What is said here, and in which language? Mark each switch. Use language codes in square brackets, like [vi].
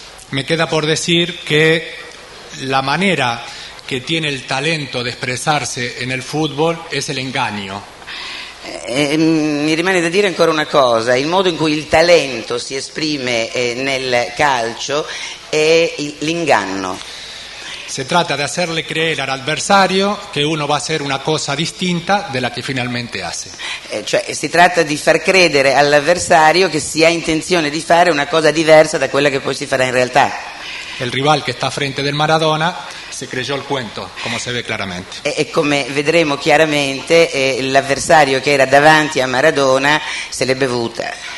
[es] Me queda por decir que la manera que tiene el talento de expresarse en el fútbol es el engaño. [it] Mi rimane da dire ancora una cosa, il modo in cui il talento si esprime nel calcio è l'inganno. [es] Se trata de hacerle creer al adversario que uno va a hacer una cosa distinta de la que finalmente hace. [it] Cioè, si trata di far credere all'avversario che si ha intenzione di fare una cosa diversa da quella che poi si farà in realtà. [es] El rival que está frente del Maradona se creyó el cuento, como se ve claramente. [it] E come vedremo chiaramente, l'avversario che era davanti a Maradona se l'è bevuta.